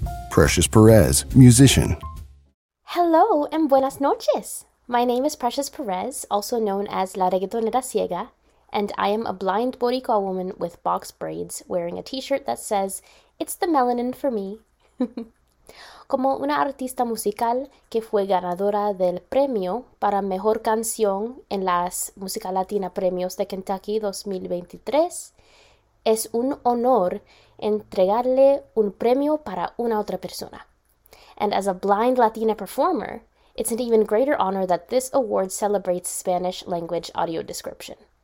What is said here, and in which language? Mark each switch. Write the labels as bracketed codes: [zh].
[en] Precious Perez, musician. Hello and [es] buenas noches. [en] My name is Precious Perez, also known as La Reggaetonera Ciega, and I am a blind Boricua woman with box braids wearing a t-shirt that says, "It's the melanin for me." [es] Como una artista musical que fue ganadora del premio para Mejor Canción en las Música Latina Premios de Kentucky 2023, es un honor entregarle un premio para una otra persona. [en] And as a blind Latina performer, it's an even greater honor that this award celebrates Spanish language audio description.